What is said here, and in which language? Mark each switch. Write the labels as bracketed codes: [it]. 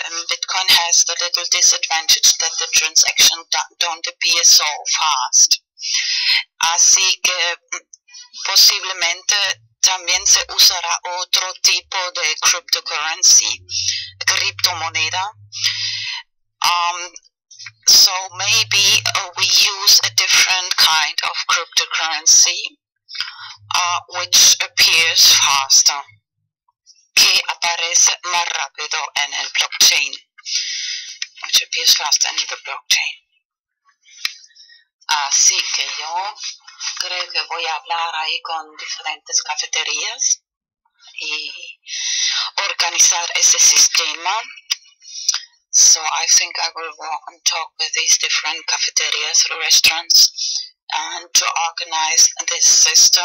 [en] Bitcoin has the little disadvantage that the transaction don't appear so fast. [es] Así que posiblemente también se usará otro tipo de cryptocurrency, criptomoneda. [en] So maybe we use a different kind of cryptocurrency, which appears faster, [es] que aparece más rápido en el blockchain, [en] which appears faster in the blockchain. [es] Así que yo creo que voy a hablar ahí con diferentes cafeterías y organizar ese sistema. [en] So I think I will walk and talk with these different cafeterias or restaurants and to organize this system.